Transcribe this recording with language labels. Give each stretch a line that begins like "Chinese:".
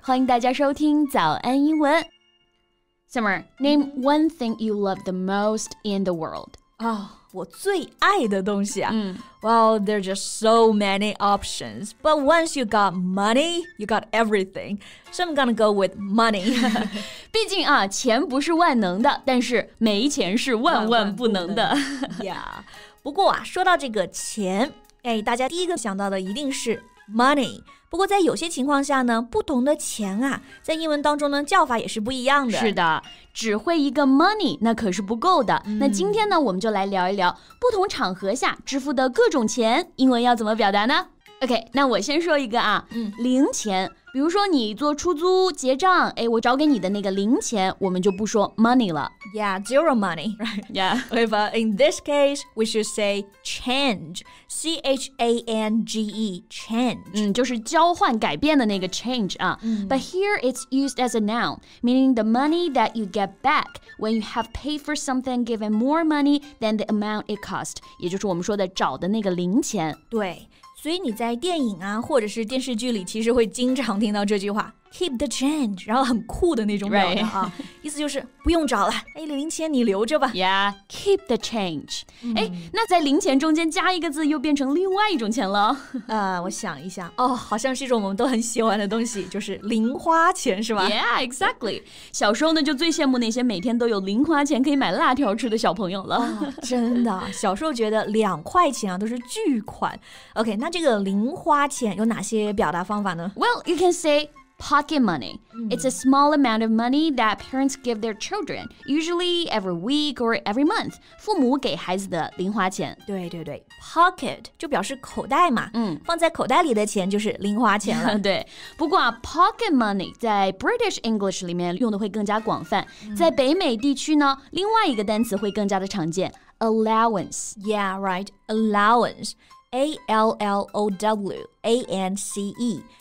Chinese: 欢迎大家收听早安英文。
English: Summer, name one thing you love the most in the world. Oh,
Chinese: 我最爱的东西啊。
English: Well, there are just so many options. But once you got money, you got everything. So I'm gonna go with money.
Chinese: 毕竟啊，钱不是万能的，但是没钱是万万不能的。
English: Yeah.
Chinese: 不过啊，说到这个钱，哎，大家第一个想到的一定是Money. 不过在有些情况下呢，不同的钱啊，在英文当中呢，叫法也是不一样的。是的，只会一个 money, 那可是不够的。那今天呢，我们就来聊一聊不同场合下支付的各种钱，英文要怎么表达呢？ OK, 那我先说一个啊，零钱。比如说你坐出租结账，哎，我找给你的那个零钱，我们就不说 money 了。
English: Yeah, zero money. Right. Yeah. Okay, but in this case, we should say change. C-H-A-N-G-E, change.
Chinese: 就是交换改变的那个 change 啊。
English: But here it's used as a noun, meaning the money that you get back when you have paid for something given more money than the amount it cost.
Chinese: 也就是我们说的找的那个零钱。对。所以你在电影啊或者是电视剧里其实会经常听到这句话
English: Keep the change,
Chinese: 然后很酷的那种表达、
English: right.
Chinese: 啊、意思就是不用找了、哎、零钱你留着吧
English: Yeah, keep the change、
Chinese: 那在零钱中间加一个字又变成另外一种钱了我想一下哦，好像是一种我们都很喜欢的东西就是零花钱是吧
English: Yeah, exactly
Chinese: 小时候呢就最羡慕那些每天都有零花钱可以买辣条吃的小朋友了、哦、真的小时候觉得两块钱啊都是巨款 OK, 那这个零花钱有哪些表达方法呢
English: Well, you can sayPocket money. It's a small amount of money that parents give their children, usually every week or every month.
Chinese: 父母给孩子的零花钱。对对对 ,pocket 就表示口袋嘛。放在口袋里的钱就是零花钱了。对。不过啊 ,pocket money 在 British English 里面用的会更加广泛。在北美地区呢另外一个单词会更加的常见 ,allowance.
English: Yeah, right, allowance. A-L-L-O-W-A-N-C-E.